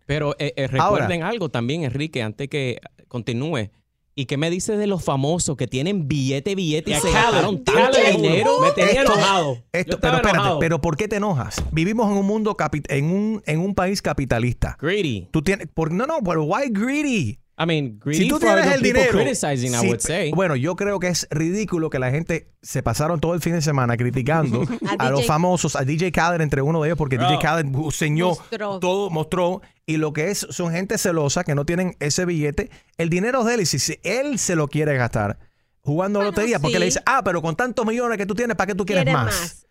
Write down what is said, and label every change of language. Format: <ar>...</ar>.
<es>Pero recuerden ahora algo también, Enrique, antes que continúe. ¿Y qué me dices de los famosos que tienen billete y se gastaron tanto dinero? Me tenía enojado. Pero espérate, ¿pero por qué te enojas? Vivimos en un mundo en un país capitalista.</es> <en>Greedy.</en> <es>Tú tienes, pero</es> <en>why greedy? I mean, greedy for other people criticizing, I would say.</en> <es>Bueno, yo creo que es ridículo que la gente se pasaron todo el fin de semana criticando a los famosos, a DJ Khaled entre uno de ellos, porque DJ Khaled enseñó todo, mostró, y lo que es, son gente celosa que no tienen ese billete. El dinero es de él, y si él se lo quiere gastar jugando lotería, porque le dice, pero con tantos millones que tú tienes, ¿para qué tú quieres más?</es>